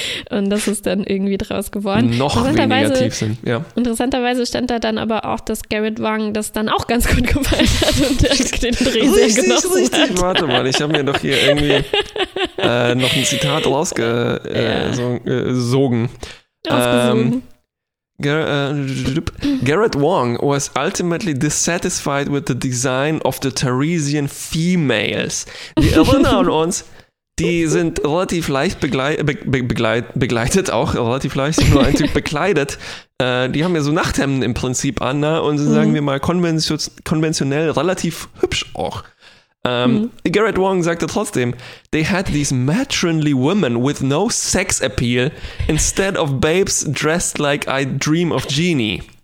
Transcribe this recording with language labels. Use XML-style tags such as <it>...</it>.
<de>Und das ist dann irgendwie draus geworden. Noch weniger Tiefsinn, ja. Interessanterweise stand da dann aber auch, dass Garrett Wong das dann auch ganz gut gefallen hat und der den Dreh sehr genossen hat. Richtig, warte mal, ich habe mir doch hier irgendwie noch ein Zitat rausgesogen.</de> <en>Garrett Wong was ultimately dissatisfied with the design of the Tharisian females.</en> <de>Wir erinnern uns, die sind relativ leicht begleitet, auch relativ leicht, nur ein Typ bekleidet. Die haben ja so Nachthemden im Prinzip an, ne? Und sind, sagen wir mal, konventionell relativ hübsch auch. Garrett Wong sagte trotzdem,</de> <en>they had these matronly women with no sex appeal instead of babes dressed like I dream of genie.</en>